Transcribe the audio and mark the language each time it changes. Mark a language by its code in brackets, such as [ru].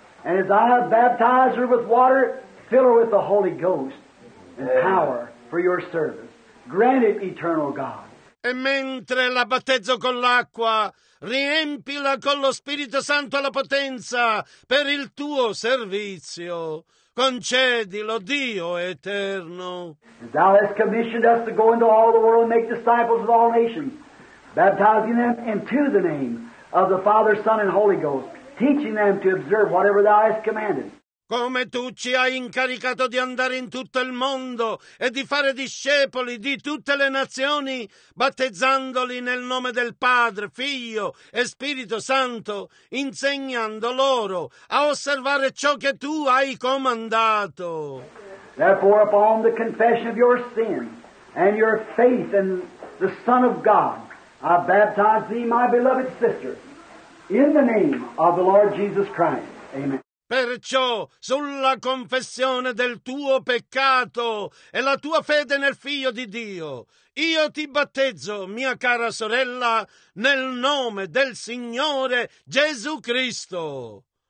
[en] And as I have baptized her with water, fill her with the Holy Ghost and power for your service. Grant it, eternal God. [it] E mentre la battezzo con l'acqua, riempila con lo Spirito Santo la potenza per il tuo servizio. Concedilo, Dio eterno. [en] And thou hast commissioned us to go into all the world and make disciples of all nations, baptizing them into the name of the Father, Son, and Holy Ghost, teaching them to observe whatever thou hast commanded. [it] Come tu ci hai incaricato di andare in tutto il mondo e di fare discepoli di tutte le nazioni, battezzandoli nel nome del Padre, Figlio e Spirito Santo, insegnando loro a osservare ciò che tu hai comandato. [en] Therefore, upon the confession of your sin and your faith in the Son of God, I baptize thee, my beloved sister, in the name of the Lord Jesus Christ. Amen. [it] Perciò, sulla confessione del tuo peccato e la tua fede nel Figlio di Dio, io ti battezzo, mia cara sorella, nel nome del Signore Gesù Cristo.